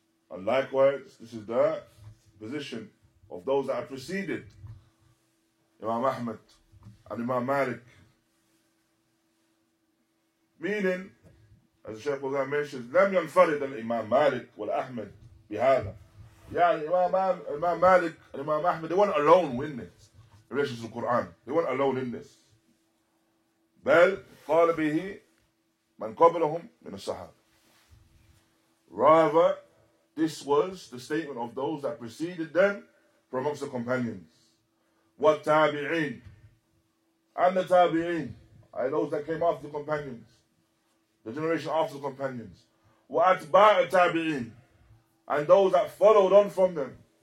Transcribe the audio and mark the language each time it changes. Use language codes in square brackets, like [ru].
[en] And likewise, this is the position of those that have preceded Imam Ahmed and Imam Malik. Meaning, as Shaykh Fawzaan mentions, [ar] لم ينفرد الإمام مالك والأحمد بهذا. [en] Yeah, Imam Malik and Imam Ahmed, they weren't alone in this, in relation to the Qur'an. They weren't alone in this. [ar] بل قال به من قبلهم من الصحابة. [en] Rather, this was the statement of those that preceded them from amongst the companions. [ar] والتابعين. [en] And the تابعين are those that came after the companions. The generation after the companions. [ar] وَأَتْبَاءَ التَّابِعِينَ [en] And those that followed on from them.